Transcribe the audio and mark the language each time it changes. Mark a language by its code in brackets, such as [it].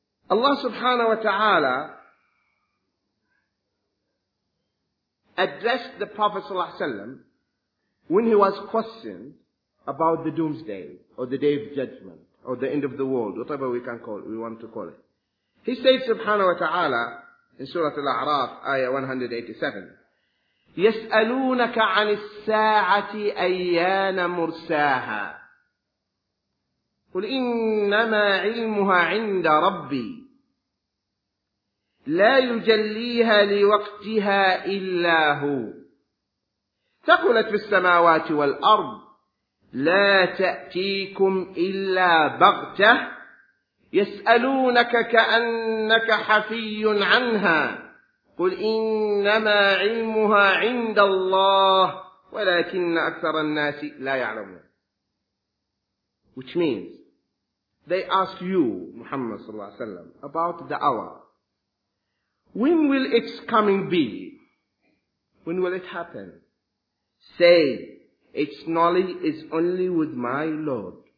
[en] Allah subhanahu wa ta'ala addressed the Prophet sallallahu alaihi wasallam when he was questioned about the doomsday or the day of judgment, or the end of the world, whatever we want to call it. He said subhanahu wa ta'ala in Surah Al-A'raf, ayah 187, [ar] يَسْأَلُونَكَ عَنِ السَّاعَةِ أَيَّانَ مُرْسَاهَا قُلْ إِنَّمَا عِلْمُهَا عِنْدَ رَبِّي لَا يُجَلِّيهَا لِوَقْتِهَا إِلَّا هُوَ ثَقُلَتْ فِي السَّمَاوَاتِ وَالْأَرْضِ لا تأتيكم إلا بغتة يسألونك كأنك حفي عنها قل إنما علمها عند الله ولكن أكثر الناس لا يعلمون. [en] Which means, they ask you, Muhammad صلى الله عليه وسلم, about the hour. When will its coming be? When will it happen? Say, its knowledge is only with my Lord.